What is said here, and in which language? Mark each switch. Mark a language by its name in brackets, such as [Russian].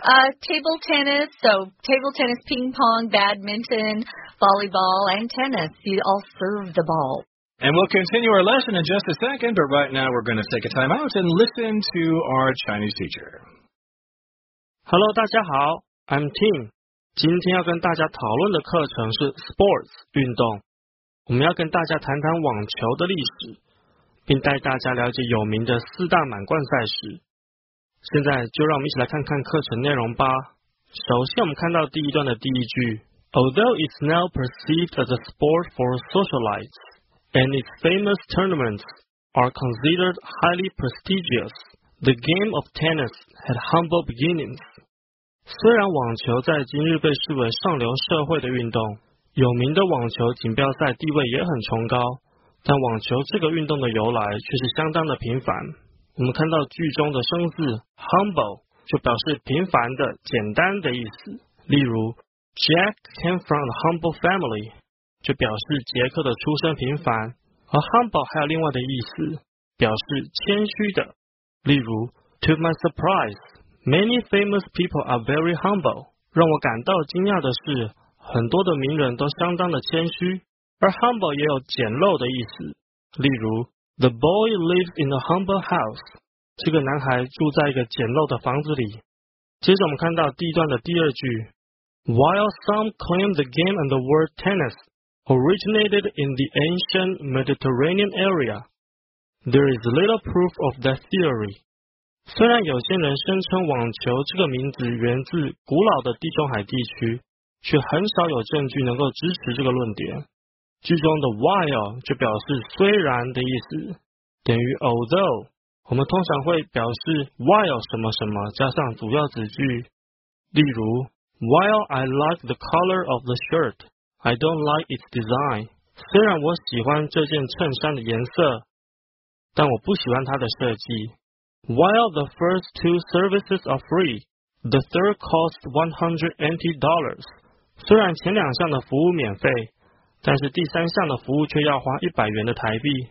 [English] Table tennis. So table tennis, ping pong, badminton, volleyball, and tennis. You all serve the ball. And we'll continue our lesson in just a second, but right now we're going to take a time out and listen to our Chinese teacher. Hello, [Chinese] 大家好 [English] I'm Tim. [Chinese] 今天要跟大家讨论的课程是 sports 运动，我们要跟大家谈谈网球的历史，并带大家了解有名的四大满贯赛事。现在就让我们一起来看看课程内容吧。首先，我们看到第一段的第一句 [English] ，Although it's now perceived as a sport for socialites, and its famous tournaments are considered highly prestigious, the game of tennis had humble beginnings. [Chinese] 虽然网球在今日被视为上流社会的运动，有名的网球锦标赛地位也很崇高，但网球这个运动的由来却是相当的平凡。我们看到句中的生字 humble 就表示平凡的、简单的意思。例如 ， [English] Jack came from a humble family [Chinese] 就表示杰克的出身平凡。而 humble 还有另外的意思，表示谦虚的。例如 [English] ，To my surprise。Many famous people are very humble. [Chinese] 让我感到惊讶的是，很多的名人都相当的谦虚。而 humble 也有简陋的意思。例如 ， [English] The boy lives in a humble house. [Chinese] 这个男孩住在一个简陋的房子里。接着我们看到第一段的第二句 [English] ，While some claim the game and the word tennis originated in the ancient Mediterranean area, there is little proof of that theory. [Chinese] 虽然有些人声称网球这个名字源自古老的地中海地区，却很少有证据能够支持这个论点。句中的 while 就表示虽然的意思，等于 although。我们通常会表示 while 什么什么加上主要子句。例如 [English] ，While I like the color of the shirt, I don't like its design。 [Chinese] 虽然我喜欢这件衬衫的颜色，但我不喜欢它的设计。 [English] While the first two services are free, the third costs $100 NT. [Chinese] 虽然前两项的服务免费，但是第三项的服务却要花100元的台币。